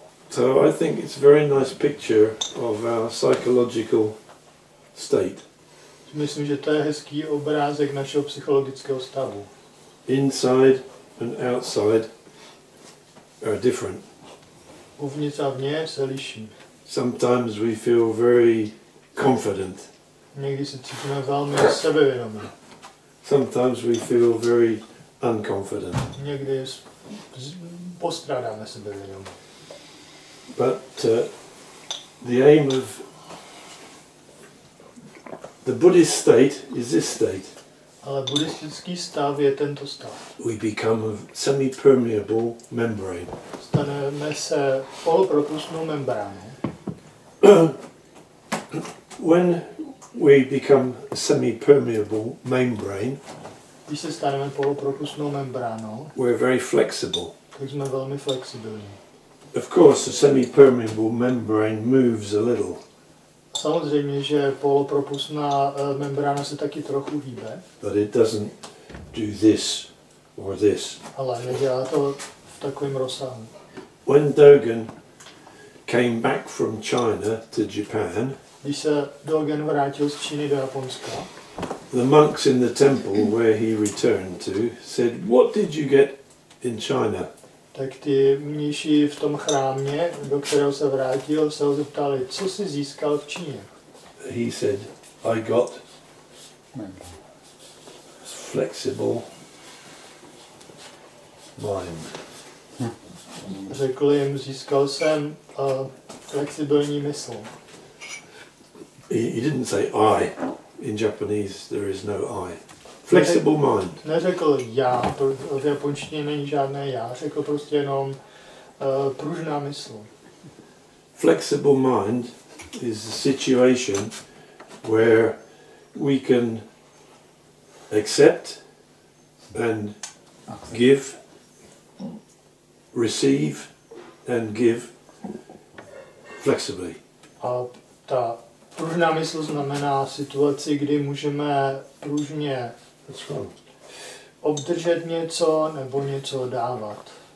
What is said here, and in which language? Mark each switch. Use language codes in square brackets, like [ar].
[en] So I think it's a very nice picture of our psychological state. [cs] Myslím, že to je hezký obrázek našeho psychologického stavu. [en] Inside and outside are different. [cs] Uvnitř a vně se liší. [en] Sometimes we feel very confident. [cs] Někdy se cítíme velmi sebevědomě. [en] Sometimes we feel very unconfident. [cs] Někdy postrádáme sebevědom. [en] But the aim of the Buddhist state is this state. [cs] Ale buddhistický stav je tento stav. [en] We become a semi-permeable membrane. [cs] Staneme se polopropustnou membránou. [en] When we become semi-permeable membrane. [cs] Když se staneme polopropustnou membránou. [en] We're very flexible. [cs] Tak jsme velmi flexibilní. [en] Of course, the semi-permeable membrane moves a little. [cs] Samozřejmě, že polopropustná membrána se taky trochu hýbe. [en] But it doesn't do this or this. [cs] Ale nedělá to v takovém rozsahu. [en] When Dogen came back from China to Japan, [cs] když se Dogen vrátil z Číny do Japonska, [en] the monks in the temple where he returned to said, "What did you get in China?" [cs] Tak ty mniši v tom chrámě, do kterého se vrátil, se ho zeptali, co jsi získal v Číně. [en] He said, "I got flexible mind." [cs] Řekl jim, získal jsem flexibilní mysl. [en] He didn't say I. In Japanese there is no I. Flexible mind. [cs] Neřekl já, v japonštině není žádné já, řekl prostě jenom pružná mysl. [en] Flexible mind is a situation where we can accept and give, receive and give flexibly. [cs] A ta pružná mysl znamená situaci, kdy můžeme pružně obdržet něco nebo něco dávat.